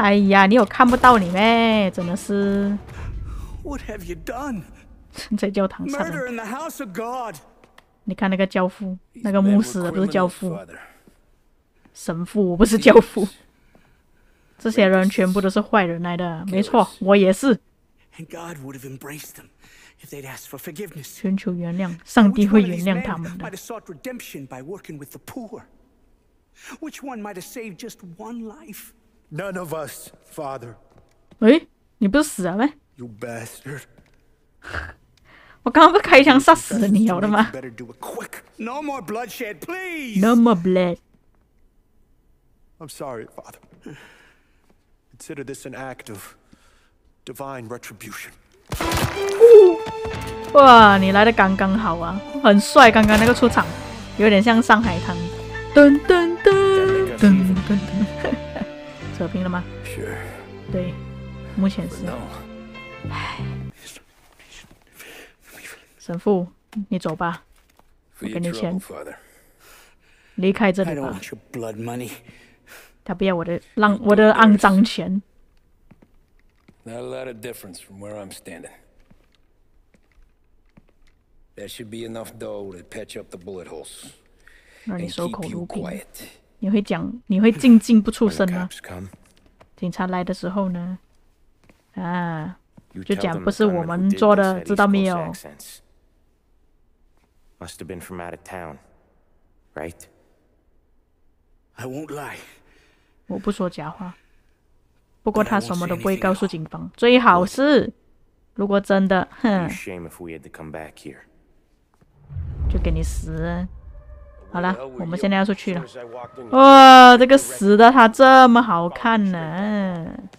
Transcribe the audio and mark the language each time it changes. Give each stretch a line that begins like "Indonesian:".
Chinese: 哎呀，你有看不到你咩？真的是。
English: What have you done？
Chinese: 在教堂杀人。
English: Murder in the house of God！
Chinese: 你看那个教父，那个牧师不是教父，神父不是教父。这些人全部都是坏人来的，没错，我也是。
English: And God would have embraced them if they'd asked for forgiveness。
Chinese: 寻求原谅，上帝会原谅他们的。
English: Might have sought redemption by working with the poor。 Which one might have saved just one life? None of us, Father.
Chinese: 哎，你不是死了吗
English: ？You bastard!
Chinese: 我刚刚不开枪杀死你好了吗
English: ？No more bloodshed, please. No more blood. I'm sorry, Father. Consider this an act of divine retribution.
Chinese: 哇，你来的刚刚好啊，很帅！刚刚那个出场，有点像《上海滩》。噔噔噔噔噔噔，扯平了吗
English: ？Sure.
Chinese: 对，目前是。
English: No.
Chinese: 神父，你走吧，我给你钱，离开这里吧。
English: I don't want your blood money.
Chinese: 他不要我的浪，我的肮脏钱。
English: Not a lot of difference from where I'm standing. There should be enough dough to patch up the bullet holes.
Chinese: 让你守口如瓶。你会讲，你会静静不出声吗？警察来的时候呢？啊，就讲不是我们做的，知道没有？
English: Must have been from out of town, right? I won't lie.
Chinese: 我不说假话。不过他什么都不会告诉警方。最好是，如果真的，哼。
English: It'd be a shame if we had to come back here.
Chinese: 就给你死。好了，我们现在要出去了。哇，这个死的他这么好看呢、啊。